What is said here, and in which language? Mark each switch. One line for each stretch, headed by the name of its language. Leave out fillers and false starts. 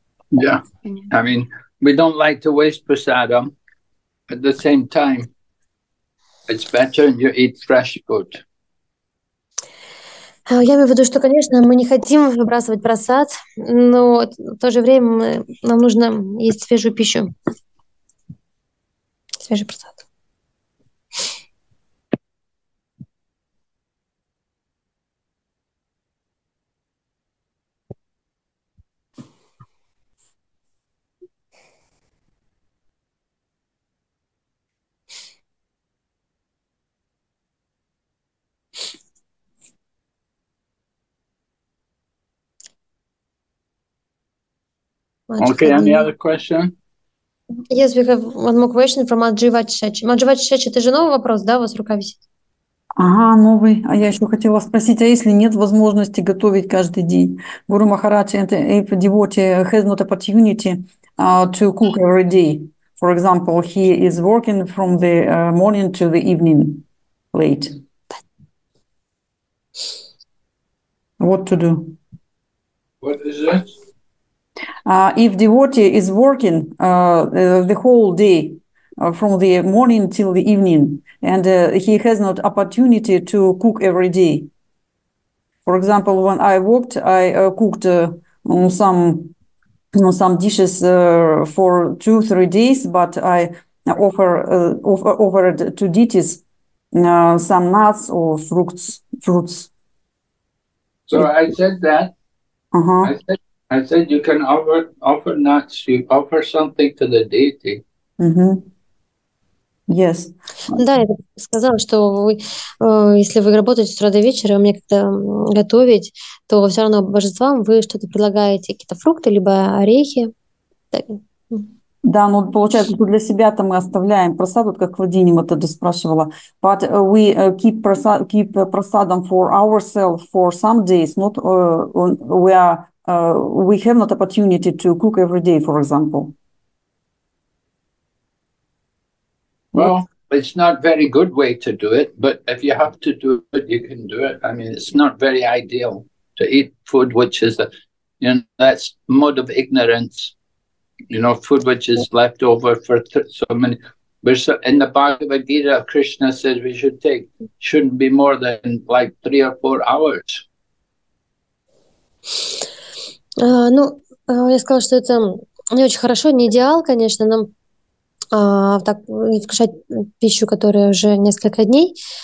English: Yeah, I mean, we don't like to waste prasada. At the same time, it's better you eat fresh food.
Russian: Я имею в виду, что, конечно, мы не хотим выбрасывать просад, но в то же время нам нужно есть свежую пищу. Свежий просад.
English: Okay, any other question? Yes, we have one more question from Madhivati Shachi. Madhivati Shachi,
Russian: это же новый вопрос, да, у вас рука висит? Ага, новый. А я еще хотела спросить, а если нет возможности готовить каждый день?
English: Guru Maharaj, if a devotee has not opportunity to cook every day, for example, he is working from the morning to the evening late. What to do? What is that? If devotee is working the whole day from the morning till the evening and he has not opportunity to cook every day. For example, when I worked, I cooked some dishes for 2-3 days, but I offered to deities some nuts or fruits. So I said that. I said you can offer nuts, you offer something to the deity. Mm-hmm. Yes.
Russian: Да, я сказала, что вы, если вы работаете с утра до вечера, и мне как-то готовить, то все равно божествам вы что-то предлагаете, какие-то фрукты, либо орехи. Так. Да, ну, получается, для себя-то мы оставляем просад, вот как Владимир тогда спрашивала.
English: But we keep просадом for ourselves for some days, not we are... we have not opportunity to cook every day, for example. Well, it's not very good way to do it, but if you have to do it, you can do it. I mean, it's not very ideal to eat food which is, you know, that's mode of ignorance. You know, food which is left over for so many. In the Bhagavad Gita, Krishna says we should take, shouldn't be more than like 3 or 4 hours.
Russian: Я сказала, что это не очень хорошо, не идеал, конечно, нам так не вкушать пищу, которая уже несколько дней.